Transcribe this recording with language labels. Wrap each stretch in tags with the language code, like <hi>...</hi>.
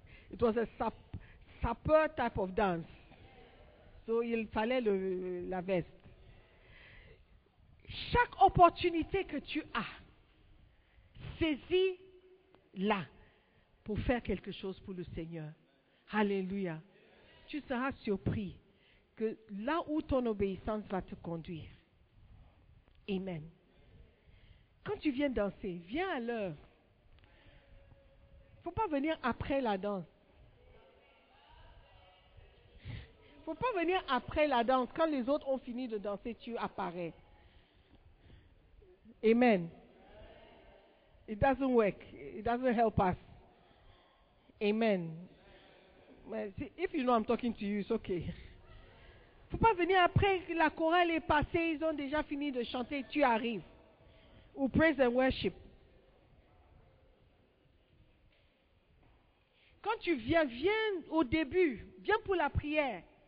<en>It was a sapper type of dance.</en> <fr>So il fallait la veste. Chaque opportunité que tu as, saisis-la pour faire quelque chose pour le Seigneur. Alléluia. Tu seras surpris que là où ton obéissance va te conduire. Amen. Quand tu viens danser, viens à l'heure. Faut pas venir après la danse. Faut pas venir après la danse. Quand les autres ont fini de danser, tu apparais.</fr> <en>Amen. It doesn't work. It doesn't help us. Amen. If you know I'm talking to you, it's okay.</en> <fr>Faut pas venir après que la chorale est passée, ils ont déjà fini de chanter, tu arrives.</fr> <en>Ou praise and worship.</en> <fr>Quand tu viens, viens au début, viens pour la prière.</fr>